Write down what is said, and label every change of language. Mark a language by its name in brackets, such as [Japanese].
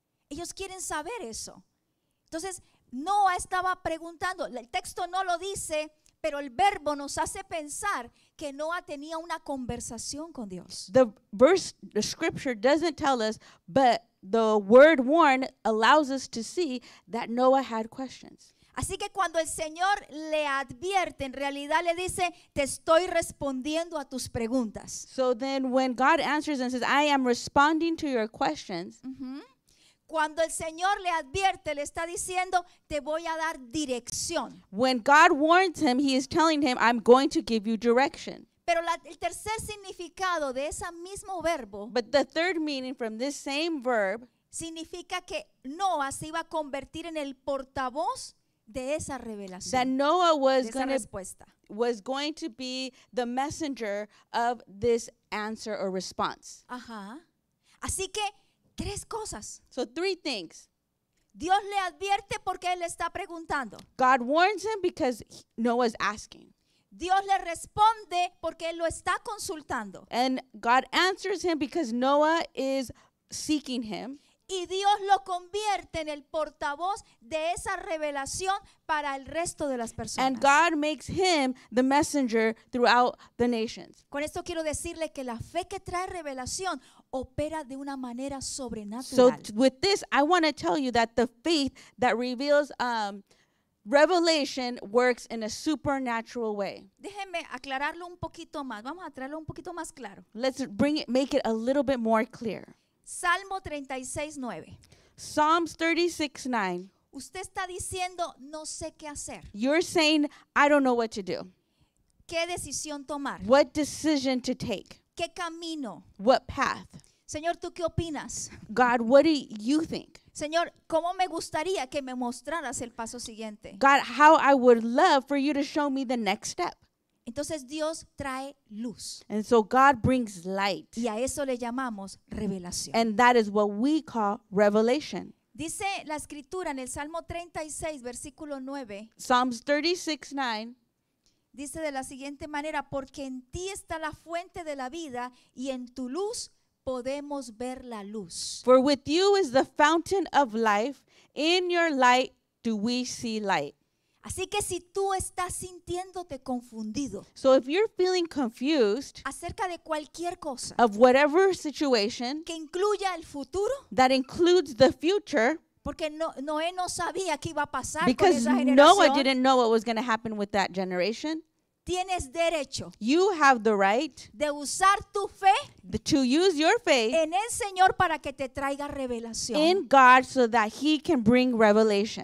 [Spanish] Ellos quieren saber eso. Entonces, Noah estaba preguntando, el texto no lo dice, pero el verbo nos hace pensar que Noah tenía una conversación con Dios. [English] The verse, the scripture doesn't tell us, but the word warn allows us to see that Noah had questions. [Spanish] Así que cuando el Señor le advierte, en realidad le dice, te estoy respondiendo a tus preguntas. [English] So then when God answers and says, I am responding to your questions. Mm-hmm. [Spanish] Cuando el Señor le advierte, le está diciendo, te voy a dar dirección. [English] When God warns him, he is telling him, I'm going to give you direction. [Spanish] Pero el tercer significado de ese mismo verbo, [English] but the third meaning from this same verb, [Spanish] significa que Noah se iba a convertir en el portavoz de esa revelación. [English] That Noah was going to [Spanish] respuesta. [English] Was going to be the messenger of this answer or response. [Spanish] Ajá. Así que tres cosas. [English] So three things. [Spanish] Dios le advierte porque él está preguntando. [English] God warns him because Noah is asking. [Spanish] Dios le responde porque él lo está consultando. [English] And God answers him because Noah is seeking him. [Spanish] Y Dios lo convierte en el portavoz de esa revelación para el resto de las personas. [English] And God makes him the messenger throughout the nations. [Spanish] Con esto quiero decirle que la fe que trae revelación opera de una manera sobrenatural. [English] So with this, I want to tell you that the faith that reveals revelation works in a supernatural way. [Spanish] Déjeme aclararlo un poquito más. Vamos a traerlo un poquito más claro. [English] Let's bring it, make it a little bit more clear. [Spanish] Salmo 36:9. [English] Psalms 36:9. [Spanish] Usted está diciendo no sé qué hacer. [English] You're saying I don't know what to do. [Spanish] ¿Qué decisión tomar? [English] What decision to take? [Spanish] ¿Qué camino? [English] What path? [Spanish] Señor, ¿tú qué opinas? [English] God, what do you think? [Spanish] Señor, ¿cómo me gustaría que me mostraras el paso siguiente? [English] God, how I would love for you to show me the next step. [Spanish] Entonces Dios trae luz. [English] And so God brings light. [Spanish] Y a eso le llamamos revelación. [English] And that is what we call revelation. [Spanish] Dice la escritura en el Salmo 36, versículo 9. [English] Psalms 36:9. [Spanish] Dice de la siguiente manera, porque en ti está la fuente de la vida y en tu luz podemos ver la luz. [English] For with you is the fountain of life. In your light do we see light. [Spanish] Así que si tú estás sintiéndote confundido, [English] so if you're feeling confused, [Spanish] acerca de cualquier cosa, [English] of whatever situation, [Spanish] que incluya el futuro, [English] that includes the future, [Spanish] porque Noé no sabía qué iba a pasar, [English] because [Spanish] con esa generación, [English] Noah didn't know what was going to happen with that generation, [Spanish] tienes derecho, [English] you have the right, [Spanish] de usar tu fe, [English] to use your faith, [Spanish] en el Señor para que te traiga revelación, [English] in God so that he can bring revelation.